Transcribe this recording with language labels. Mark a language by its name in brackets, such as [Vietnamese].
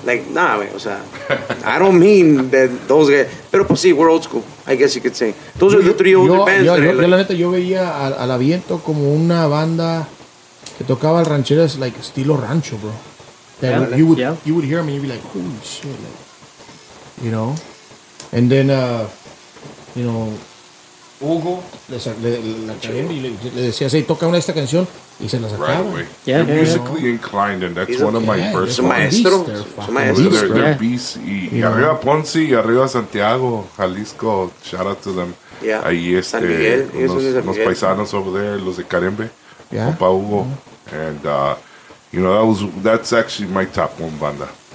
[English] Like, nah, man, [Spanish] o sea, [English] I don't mean that those guys, [Spanish] pero pues sí, [English] we're old school, I guess you could say. Those are the three older bands. [Spanish] Yo, la neta, yo veía al Aviento como una banda que tocaba rancheras, like, estilo rancho, bro. [English] You would hear them and you'd be like, holy shit, like, you know, and then you know, Hugo [Spanish] le decía, "Hey, toca una esta canción," y se la sacaba. [English] Right, you're musically inclined, and that's one of my first ones. Maestro, they're beast. [Spanish] Y arriba Ponce y arriba Santiago, Jalisco. [English] Shout out to them. Yeah, [Spanish] ahí este, los paisanos [English] over there, los de Carembe, Papa Hugo, and you know, that's actually my top one banda.